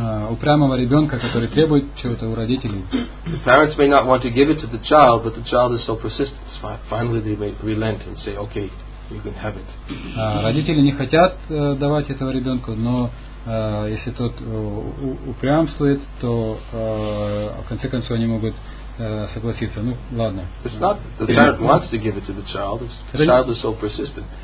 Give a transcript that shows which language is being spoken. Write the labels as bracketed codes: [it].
[ru] упрямого ребенка, который требует чего-то у родителей. [en] The parents may not want to give it to the child, but the child is so persistent, finally they may relent and say, okay, you can have it. [ru] Родители не хотят давать этого ребенку, но если тот упрямствует, то в конце концов они могут согласиться. Ну, ладно. [en] It's not that the parent wants to give it to the child, the child is so persistent.